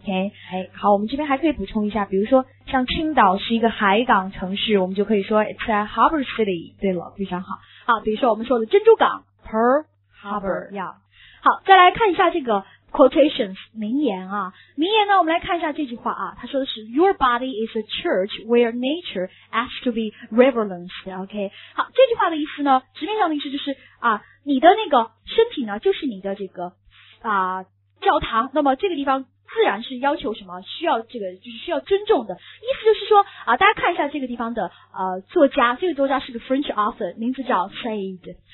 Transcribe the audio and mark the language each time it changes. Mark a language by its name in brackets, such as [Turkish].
[Chinese] OK， 哎，好，我们这边还可以补充一下，比如说像青岛是一个海港城市，我们就可以说 [English] It's a harbor city. [Chinese] 对了，非常好。啊，比如说我们说的珍珠港 Pearl Harbor, yeah. 好，再来看一下这个 quotations 名言啊。名言呢，我们来看一下这句话啊。他说的是 ， [English] Your body is a church where nature has to be reverenced. [Chinese] OK， 好，这句话的意思呢，直面上的意思就是啊，你的那个身体呢，就是你的这个啊教堂。那么这个地方自然是要求什么？需要这个就是需要尊重的。意思就是说啊，大家看一下这个地方的作家，这个作家是个 French author， 名字叫 Sade。